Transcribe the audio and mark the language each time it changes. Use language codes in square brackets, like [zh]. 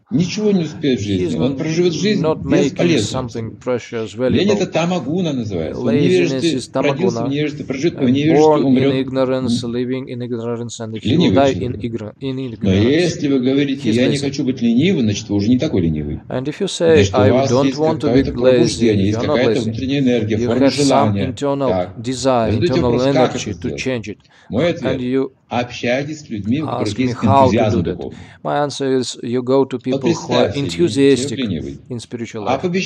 [ru] Ничего не успеет в жизни. Он проживет жизнь бесполезно. [en] Something precious, valuable. [ru] Лень это тамагуна называется. [en] Laziness is tamaguna. [ru] Он невежество, проживет в невежестве, умрет. [en] Born in ignorance, living in ignorance, and he will die in ignorance. [ru] Но если вы говорите, я не хочу быть ленивым, значит, вы уже не такой ленивый. [en] And if you say, I don't want to be lazy, you're not lazy. [ru] Есть какая-то внутренняя энергия, форма желания. [en] You have some internal desire, internal energy to change it. [ru] Мой ответ. [en] You Ask me how to do that. My answer is, you go to people who are enthusiastic in spiritual life.